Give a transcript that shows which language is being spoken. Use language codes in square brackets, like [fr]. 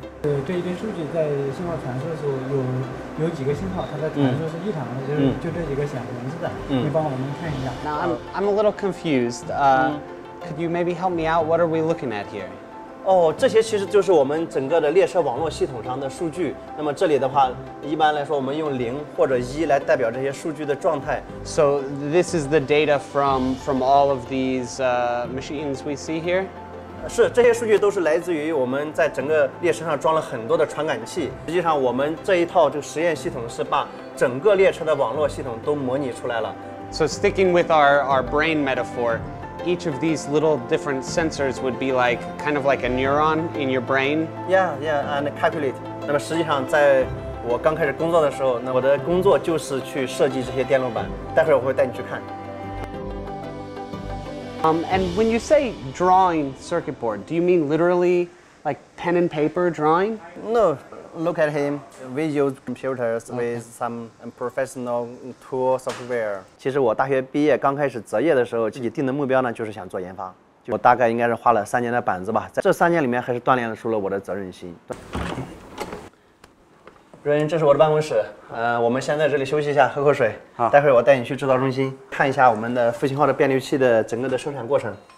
[zh] 对一堆数据在信号传输的时候有几个信号，它的传输是异常的，就这几个显红色的，你帮我们看一下。 [en] Now I'm a little confused. Could you maybe help me out? What are we looking at here? [zh] 这些其实就是我们整个的列车网络系统上的数据。那么这里的话，一般来说我们用零或者一来代表这些数据的状态。 [en] So this is the data from all of these machines we see here? [zh] 是，这些数据都是来自于我们在整个列车上装了很多的传感器。实际上我们这一套这个实验系统是把整个列车的网络系统都模拟出来了。 [en] So sticking with our brain metaphor, each of these little different sensors would be like kind of like a neuron in your brain. Yeah, yeah, and calculate. [zh] 那么实际上在我刚开始工作的时候，那我的工作就是去设计这些电路板。待会儿我会带你去看。 [en] And when you say drawing circuit board, do you mean literally like pen and paper drawing? No, look at him. We use computers with some professional tool software. [zh] 其实我大学毕业刚开始择业的时候，自己定的目标呢就是想做研发。我大概应该是画了三年的板子吧，在这三年里面还是锻炼出了我的责任心。瑞恩，这是我的办公室。我们先在这里休息一下，喝口水。好，待会儿我带你去制造中心，看一下我们的复兴号的变流器的整个的生产过程。